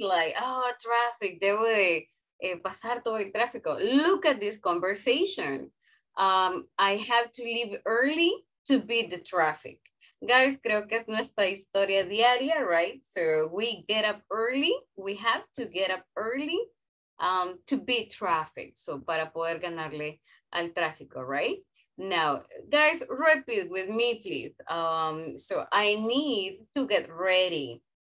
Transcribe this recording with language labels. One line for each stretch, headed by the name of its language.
Spanish: Like, oh, traffic, debo de pasar todo el tráfico.
English: Look at this conversation. I have to leave early to beat the traffic.
Spanish: Guys, creo que es nuestra historia diaria, right?
English: So we get up early. We have to get up early to beat traffic. So
Spanish: para poder ganarle al tráfico,
English: right? Now, guys, repeat with me, please. So I need to get ready.